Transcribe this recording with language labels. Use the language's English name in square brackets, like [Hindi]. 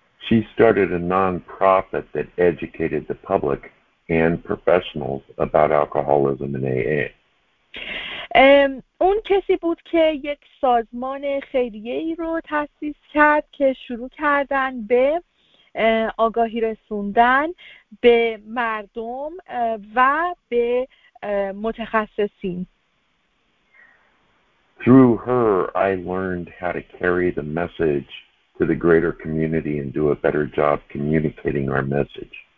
[English] She started a non-profit that educated the public and professionals about alcoholism in AA. [Persian] اون کسی بود که یک سازمان خیریه‌ای رو تأسیس کرد که شروع کردن به آگاهی رسوندن به مردم و به متخصصین. [English] Through her, I learned how to carry the message to the greater community and do a better job communicating our message.